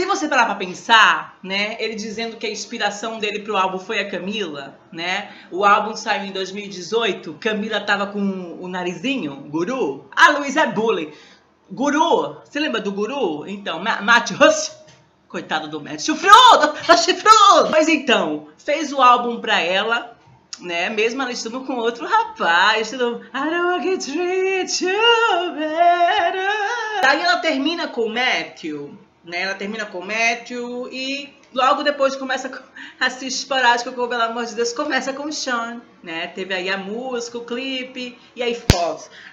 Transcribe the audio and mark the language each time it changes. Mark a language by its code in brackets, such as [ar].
[pt] Se você parar para pensar, né, ele dizendo que a inspiração dele pro álbum foi a Camila, né, o álbum saiu em 2018, Camila tava com o narizinho, guru, a Luísa é bully, guru, você lembra do guru? Então, Matt Huss. Coitado do Matt, chifrudo, tá chifrudo. Mas então, fez o álbum pra ela, né, mesmo ela estando com outro rapaz, estando... [en] I don't want to treat you better. [pt] Daí ela termina com o Matthew, né, ela termina com o Matthew e logo depois começa a se esporádica com, pelo amor de Deus, começa com o Shawn, né, teve aí a música, o clipe e aí fotos.